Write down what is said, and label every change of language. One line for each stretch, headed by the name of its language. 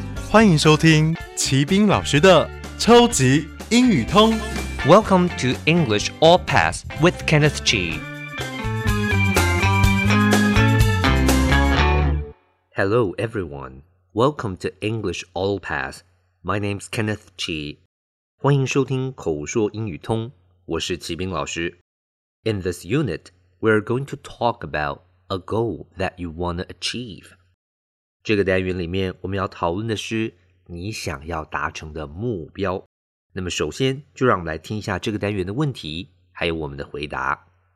Chinese: 欢迎收听齐宾老师的超级英语通。
English: Welcome to English All Pass with Kenneth G. Hello, everyone. Welcome to English All Pass. My name's Kenneth G.
Chinese: 欢迎收听口说英语通，我是齐宾老师。
English: In this unit, we're going to talk about a goal that you want to achieve.
Chinese: 这个单元里面我们要讨论的是你想要达成的目标。那么首先就让我们来听一下这个单元的问题还有我们的回答。